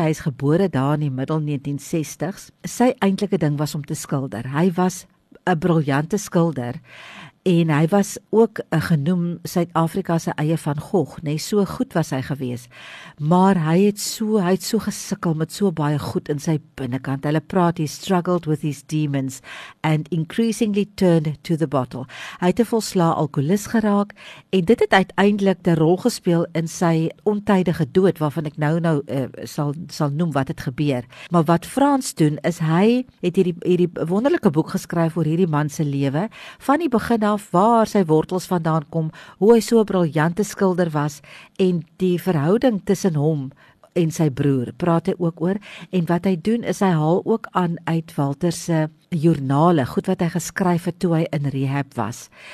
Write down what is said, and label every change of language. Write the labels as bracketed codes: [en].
[af] Hy is gebore daar in die middel 1960s. Sy eintlike ding was om te skilder. Hy was 'n briljante skilder en hy was ook genoem Suid-Afrika se eie Van Gogh, nee, so goed was hy gewees. Maar hy het so gesukkel met so baie goed in sy binnekant. Hulle praat, [en] he struggled with his demons and increasingly turned to the bottle. [af] Hy het 'n volslae alkoholist geraak en dit het uiteindelik 'n rol gespeel in sy ontydige dood, waarvan ek sal noem wat het gebeur. Maar wat Frans doen, is hy het hierdie wonderlike boek geskryf oor hierdie man se lewe, van die begin af waar sy wortels vandaan kom, hoe hy so 'n briljante skilder was en die verhouding tussen hom en sy broer praat hy ook oor en wat hy doen is hy haal ook aan uit Walter se joernale, goed wat hy geskryf het toe hy in rehab was.